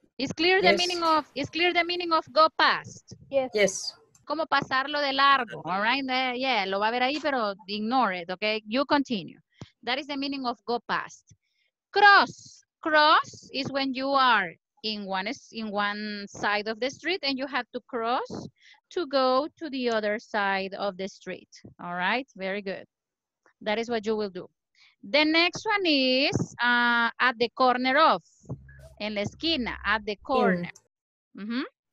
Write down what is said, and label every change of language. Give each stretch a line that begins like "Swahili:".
English: Is clear the meaning of, is clear the meaning of go past? Yes. Yes.
Spanish: Como pasarlo de largo,
English: all right? Yeah,
Spanish: lo va a ver ahí, pero
English: ignore it, okay? You continue. That is the meaning of go past. Cross. Cross is when you are in one side of the street and you have to cross to go to the other side of the street, all right? Very good. That is what you will do. The next one is at the corner of,
Spanish: en la esquina,
English: at the corner. Mm-hmm.